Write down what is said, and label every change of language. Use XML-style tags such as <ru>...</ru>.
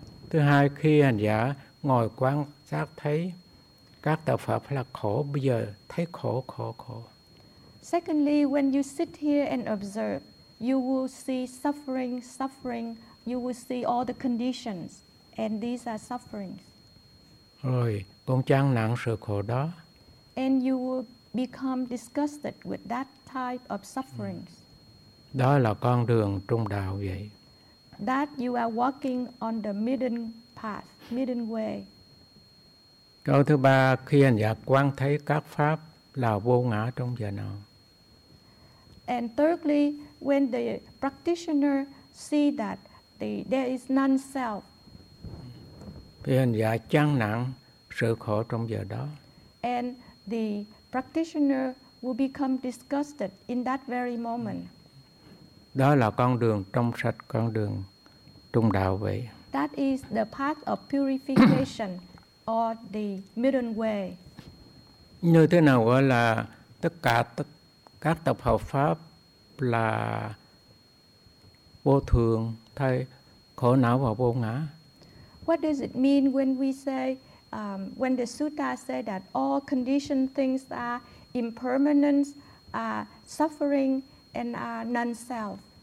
<vi>Thứ hai, khi hành giả ngồi quan sát thấy các tập pháp là khổ, bây giờ thấy khổ.</vi> <en>Secondly, when you sit here and observe, you will see suffering, you will see all the conditions, and these are sufferings.</en> <vi>Rồi, cũng chán nản sự khổ đó.</vi> <en>And you will become disgusted with that type of sufferings.</en> <vi>Đó là con đường trung đạo vậy.</vi> <en>That you are walking on the middle path, middle way.</en> <vi>Câu thứ ba, khi hành giả quan thấy các pháp là vô ngã trong giờ nào?</vi> <en>And thirdly, when the practitioner see that there is non-self.</en> <vi>Khi hành giả chán nản sự khổ trong giờ đó.</vi> <en>And the practitioner will become disgusted in that very moment.</en> <vi>Đó là con đường trong sạch, con đường trung đạo vậy.</vi> <en>That is the path of purification or the middle way.</en> <vi>Như thế nào gọi là tất cả các tập hợp pháp là vô thường, thay khổ não và vô ngã?</vi> <en>What does it mean when we say when the sutta say that all conditioned things are impermanence, suffering and non-self?</en>